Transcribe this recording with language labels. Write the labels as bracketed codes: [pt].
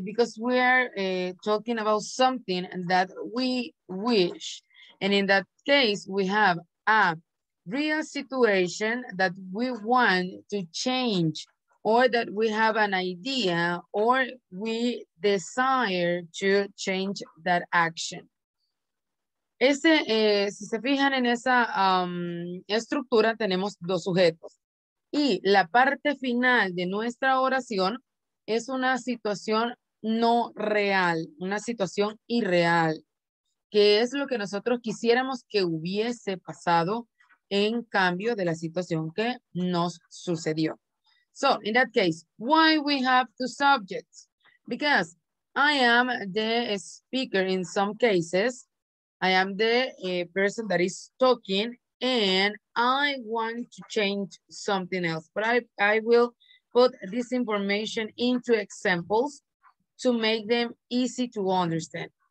[en] Because we are talking about something that we wish. And in that case, we have a real situation that we want to change, or that we have an idea, or we desire to change that action. [es] Ese, si se fijan en esa estructura, tenemos dos sujetos. Y la parte final de nuestra oración es una situación no real, una situación irreal, que es lo que nosotros quisiéramos que hubiese pasado en cambio de la situación que nos sucedió. [en] So, in that case, why we have two subjects? Because I am the speaker in some cases. I am the person that is talking and I want to change something else. But I will put this information into examples to make them easy to understand.